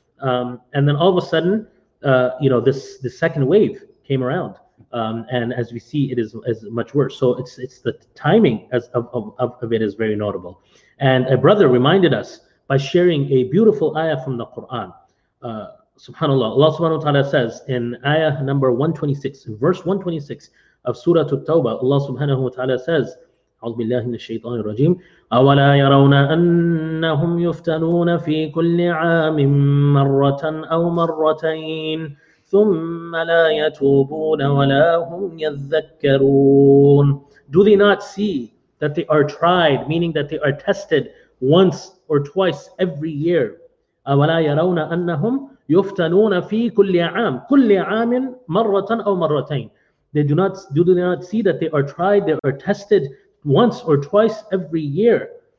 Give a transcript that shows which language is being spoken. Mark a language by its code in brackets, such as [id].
[en] And then all of a sudden, you know, this second wave came around, and as we see, it is much worse. So it's the timing of it is very notable. And a brother reminded us by sharing a beautiful ayah from the Quran. Subhanallah, Allah subhanahu wa ta'ala says in ayah number 126, in verse 126 of Surah At-Tawbah, Allah subhanahu wa ta'ala says, [ar] أعوذ بالله من الشيطان الرجيم أولا يرون أنهم يفتنون في كل عام مرة أو مرتين ثم لا يتوبون ولا هم يذكرون. [en] Do they not see that they are tried, meaning that they are tested once or twice every year? [ar] أَوَلَا يَرَوْنَ أَنَّهُمْ يُفْتَنُونَ فِي كُلِّ عَامٍ كُلِّ عَامٍ مَرَّةً أَوْ مَرَّتَيْنِ. [en] Do they not see that they are tried, they are tested once or twice every year?